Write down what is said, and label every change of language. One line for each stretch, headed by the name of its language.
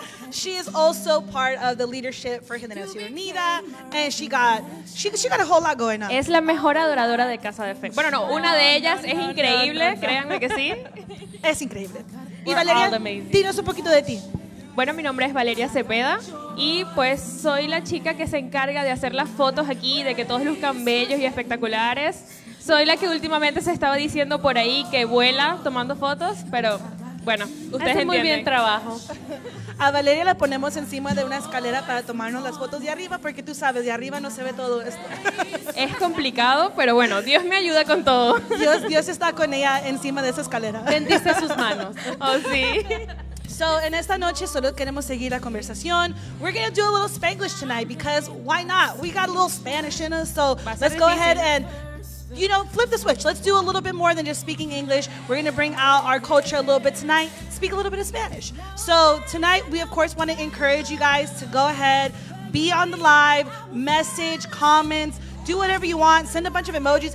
English: She is also part of the leadership for Jimenez y Unida, and she got a whole lot going on.
Spanish: Es la mejor adoradora de Casa de Fe. Bueno, no, una de ellas es increíble, créanme que sí. Es increíble. Y Valeria, dinos un poquito de ti. Bueno, mi nombre es Valeria Cepeda y pues soy la chica que se encarga de hacer las fotos aquí, de que todos luzcan bellos y espectaculares. Soy la que últimamente se estaba diciendo por ahí que vuela tomando fotos, pero bueno, ustedes hacen muy bien trabajo. A Valeria la ponemos encima de una escalera para tomarnos las fotos de arriba, porque tú sabes, de arriba no se ve todo esto. Es complicado, pero bueno, Dios me ayuda con todo. Dios está con ella encima de esa escalera. Bendice sus manos. Oh, sí. So, en esta noche solo queremos seguir la conversación.
English: We're going to do a little Spanglish tonight because why not? We got a little Spanish in us, so let's go ahead and, you know, flip the switch. Let's do a little bit more than just speaking English. We're going to bring out our culture a little bit tonight, speak a little bit of Spanish. So tonight we, of course, want to encourage you guys to go ahead, be on the live, message, comments, do whatever you want, send a bunch of emojis.